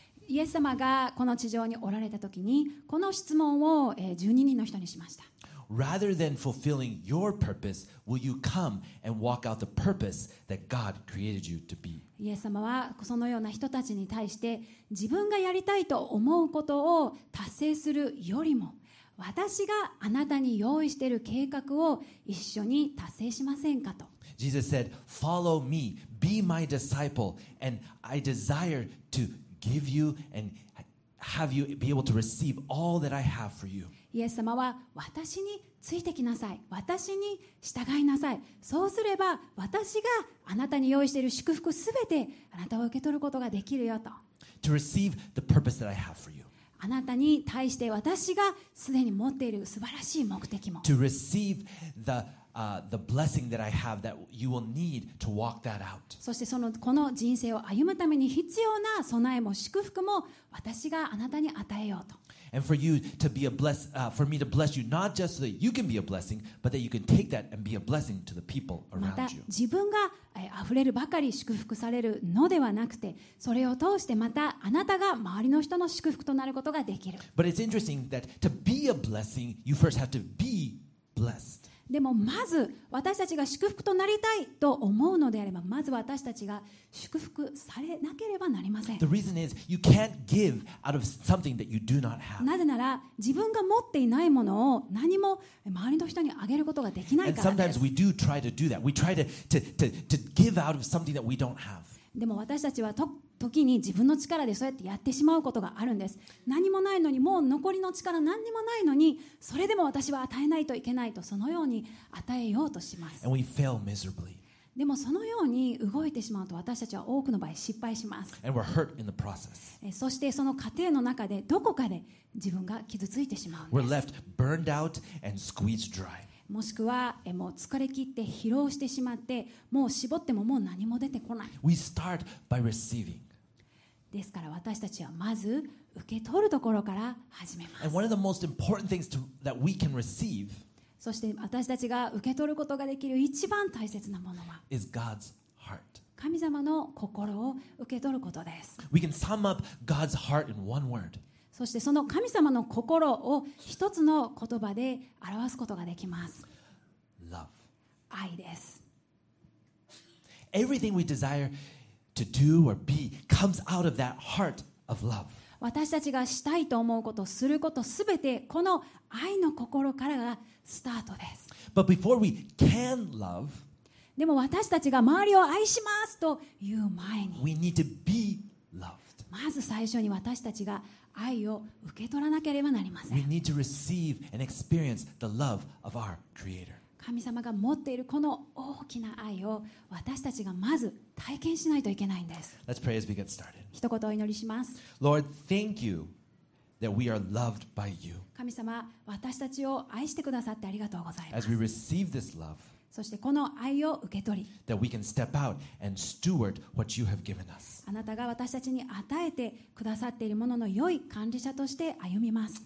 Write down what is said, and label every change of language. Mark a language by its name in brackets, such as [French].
[Japanese] イエス様がこの地上におられたときに、この質問を12人の人にしました。 [English] Rather than fulfilling your purpose, will you come and walk out the purpose that God created you to be? [Japanese] イエス様はそのような人たちに対して、自分がやりたいと思うことを達成するよりも、私があなたに用意している計画を一緒に達成しませんかと。 [English] Jesus said, "Follow me, be my disciple, and I desire to." Give you and have you be able to receive all that I have for you. [Japanese] イエス様は私についてきなさい、私に従いなさい。そうすれば私があなたに用意している祝福すべてあなたを受け取ることができるよと。 [English] To receive the purpose that I have for you. [Japanese] あなたに対して私がすでに持っている素晴らしい目的も。 [English] To receive the blessing that I have that you will need to walk that out. [Japanese] そしてそのこの人生を歩むために必要な備えも祝福も私があなたに与えようと。 [English] And for you to be a bless, for me to bless you, not just so that you can be a blessing, but that you can take that and be a blessing to the people around you. [Japanese] また自分が溢れるばかり祝福されるのではなくて、それを通してまたあなたが周りの人の祝福となることができる。 [English] But it's interesting that to be a blessing, you first have to be blessed. [Japanese] でもまず私たちが祝福となりたいと思うのであれば、まず私たちが祝福されなければなりません。 [English] The reason is you can't give out of something that you do not have. [Japanese] なぜなら自分が持っていないものを何も周りの人にあげることができないからです。 [English] And sometimes we do try to do that. We try to give out of something that we don't have. [Japanese] でも私たちは時に自分の力でそうやってやってしまうことがあるんです。何もないのに、もう残りの力何にもないのに、それでも私は与えないといけないと、そのように与えようとします。 [English] And we fail miserably. [Japanese] でもそのように動いてしまうと、私たちは多くの場合失敗します。 [English] And we're hurt in the process. [Japanese] そしてその過程の中でどこかで自分が傷ついてしまうんです。 [English] We're left burned out and squeezed dry. [Japanese] もしくはもう疲れ切って疲労してしまって、もう絞ってももう何も出てこない。 [English] We start by receiving. [Japanese] ですから私たちはまず受け取るところから始めます。 [English] And one of the most important things that we can receive, [Japanese] そして私たちが受け取ることができる一番大切なものは、 [English] is God's heart. [Japanese] 神様の心を受け取ることです。 [English] We can sum up God's heart in one word. [Japanese] そしてその神様の心を一つの言葉で表すことができます。 [English] Love. [Japanese] 愛です。 [English] Everything we desire to do or be comes out of that heart of love. [Japanese] 私たちがしたいと思うこと、すること、すべてこの愛の心からがスタートです。 [English] But before we can love, [Japanese] でも私たちが周りを愛しますという前に、 [English] we need to be loved. [Japanese] まず最初に私たちが愛を受け取らなければなりません。 [English] We need to receive and experience the love of our Creator. [Japanese] 神様が持っているこの大きな愛を私たちがまず体験しないといけないんです。 [English] Let's pray as we get started. [Japanese] 一言お祈りします。 [English] Lord, thank you that we are loved by you. [Japanese] 神様、私たちを愛してくださってありがとうございます。 [English] As we receive this love, [Japanese] そしてこの愛を受け取り、 [English] that we can step out and steward what you have given us. [Japanese] あなたが私たちに与えてくださっているものの良い管理者として歩みます。